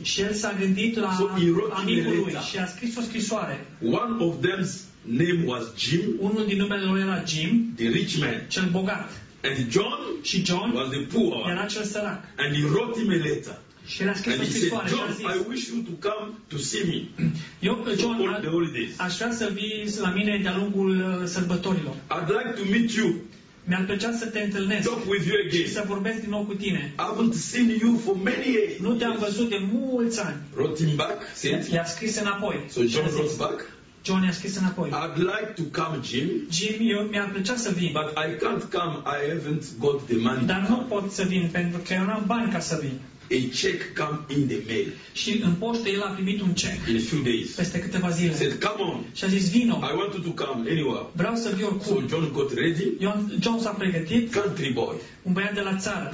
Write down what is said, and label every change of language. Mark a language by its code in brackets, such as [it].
[ro] Și el s-a gândit la amicul lui și a scris o scrisoare. [en] One of them's name was Jim. [ro] Unul din numele lui era Jim. [en] The rich man. [ro] Cel bogat. [en] And John, [ro] și John [en] was the poor. [ro] Era cel sărac. [en] And he wrote him a letter. [ro] Și el a scris o scrisoare. [en] John, I wish you to come to see me. [ro] Eu, John, aș vrea să vii la mine de-a lungul sărbătorilor. [en] I'd like to meet you. [ro] Mi-ar plăcea să te întâlnesc. [en] Talk with you again. [ro] Și să vorbesc din nou cu tine. [en] I haven't seen you for many years. [ro] Nu te-am văzut de mulți ani. [en] Wrote him back. [ro] I-a scris înapoi. [en] So John wrote back. [ro] John i-a scris înapoi. [en] I'd like to come, Jim. [ro] Jim, eu mi-ar plăcea să vin. [en] But I can't come. I haven't got the money. [ro] Dar nu pot să vin pentru că eu n-am bani ca să vin. [en] A check come in the mail. [ro] Și în poștă el a primit un check. [en] In a few days. [ro] Peste câteva zile. [en] He said, "Come on." [ro] Și a zis, "Vino." [en] I wanted to come anyway. [ro] Vreau să vin oricum. [en] So John got ready. [ro] John s-a pregătit. [en] Country boy. [ro] Un băiat de la țară.